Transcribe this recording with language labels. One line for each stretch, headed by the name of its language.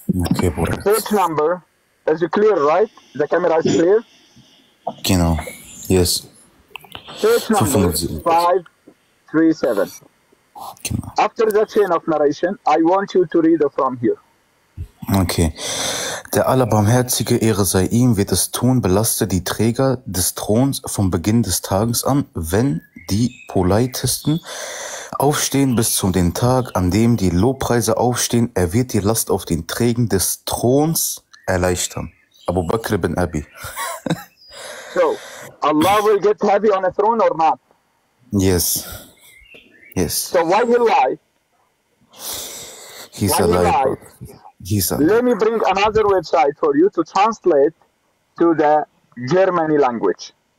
English: Okay, Bruder. Page number. Is it clear, right? The camera is clear?
German: Genau.
English: Yes. Page number 537. Okay. After the chain of narration, I want you to read from here. Okay.
German: Der Allerbarmherzige, Ehre sei ihm, wird es tun, belaste die Träger des Throns vom Beginn des Tages an, wenn die Poleitesten aufstehen bis zum den Tag, an dem die Lobpreiser aufstehen, er wird die Last auf den Trägen des Throns erleichtern.
English: Abu Bakr ibn Abi. So, Allah will get heavy on a throne or not? Yes. Yes. So why he lie? He's why a liar. He Let me bring another website for you to translate to the Germany language.